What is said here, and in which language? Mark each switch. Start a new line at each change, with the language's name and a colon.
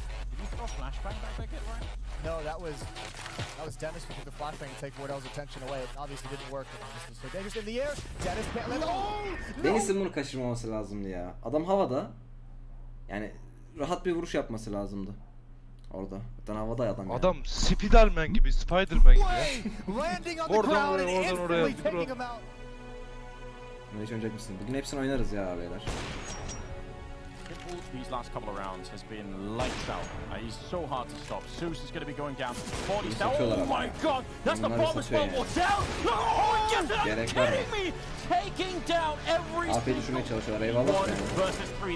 English: Did you throw flashbang back there, Kitler? No, that was Dennis who took the flashbang to take Wardell's attention away. It obviously didn't work. So Dennis in the air. Dennis can't let...
Turkish: Dennis'in bunu kaçırmaması lazımdı ya. Adam havada. Yani rahat bir vuruş yapması lazımdı. Orada. Zaten havada ya adam. Adam yani. Spiderman gibi, Spiderman gibi. Oradan oraya, oradan oraya. Ne hiç oynayacak mısın? Bugün hepsini oynarız ya abiler.
English: These last couple of rounds has been lights out. He's so hard to stop. Zeus is going to be going down. 40 down. Oh my god. That's the bomb as well. Wardell. Oh, just kidding me. Taking down every single one. Versus three.